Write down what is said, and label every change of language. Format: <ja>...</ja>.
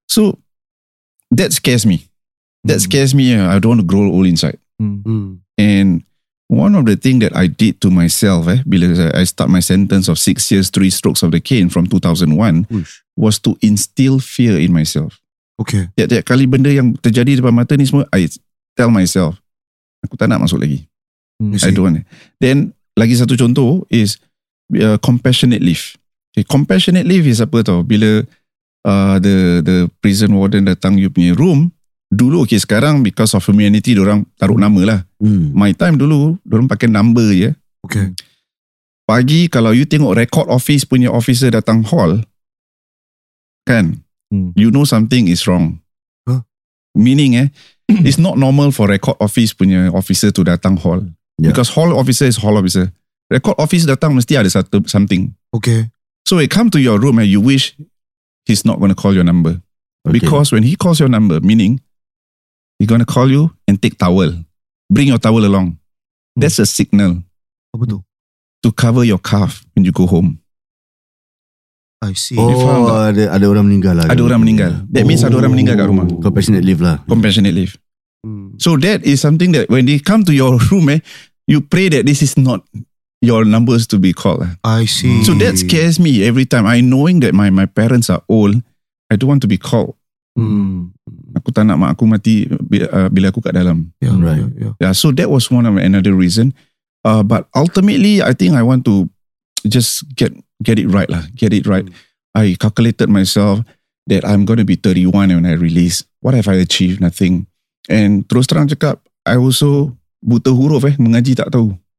<en>So that scares me. That scares me. I don't want to grow old inside. And one of the thing that I did to myself</en> <ms>bila</ms> <en>I start my sentence of 6 years, 3 strokes of the cane from 2001, was to instill fear in myself. Okay.</en> <ms>Tiap-tiap kali benda yang terjadi depan mata ni semua,</ms> <en>I tell myself,</en> <ms>aku tak nak masuk lagi.</ms> <en>I don't want it. Then</en> <ms>lagi satu contoh</ms> <en>is compassionate leave. Okay, compassionate leave is</en> <ms>apa tau, bila</ms> <en>the prison warden</en> <ms>datang</ms> <en>you</en> <ms>punya</ms> <en>room</en> <ms>dulu, okay, sekarang</ms> <en>because of humanity</en> <ms>diorang taruh nama lah.</ms> <en>My time</en> <ms>dulu diorang pakai number je.</ms> <en>Okay.</en> <ms>Pagi kalau</ms> <en>you</en> <ms>tengok</ms> <en>record office</en> <ms>punya</ms> <en>officer</en> <ms>datang</ms> <en>hall</en> <ms>kan,</ms> <en>you know something is wrong. Meaning it's not normal for record office</en> <ms>punya</ms> <en>officer to</en> <ms>datang</ms> <en>hall. Because hall officer is hall officer, record office</en> <ms>datang mesti ada satu</ms> <en>something. Okay. So he come to your room and you wish he's not going to call your number. Okay. Because when he calls your number, meaning he's going to call you and take towel. Bring your towel along. That's a signal.</en> <ms>Apa tu?</ms> <en>To cover your calf when you go home. I see.</en> <ms>Oh, ada orang meninggal lah. Ada orang meninggal.</ms> <en>That means</en> <ms>ada orang meninggal kat rumah.</ms> <en>Compassionate leave lah. Compassionate leave. So that is something that when they come to your room, you pray that this is not your numbers to be called. I see. So that scares me every time. I knowing that my parents are old, I don't want to be called.</en> <ms>Aku tak nak mak aku mati bila aku kat dalam.</ms> <en>Yeah, right. Yeah. Yeah. So that was one of another reason. But ultimately, I think I want to just get it right lah. Get it right. I calculated myself that I'm going to be 31 when I release. What have I achieved? Nothing. And</en> <ms>terus terang cakap,</ms> <en>I also</en> <ms>buta huruf mengaji tak tahu.</ms>